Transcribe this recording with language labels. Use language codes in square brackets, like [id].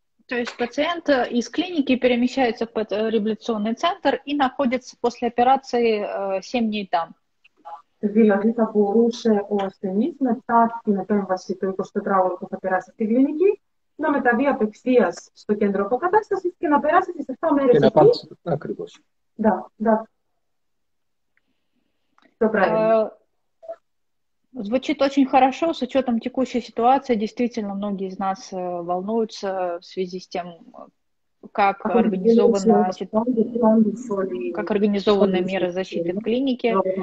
[ru] То есть пациент из клиники перемещается в реабилитационный центр и находится после операции 7 дней там. [el] Δηλαδή θα μπορούσε ο ασθενής μετά την επέμβαση του 24ωρου που θα περάσει στην κλινική να μεταβεί απευθείας στο κέντρο αποκατάστασης και να περάσει τις 7 μέρες εκεί. Και να πάρει ακριβώς. [ru] Да, да. Все правильно. Звучит очень хорошо, с учетом текущей ситуации. Действительно, многие из нас волнуются в связи с тем, как организованы меры защиты в клинике.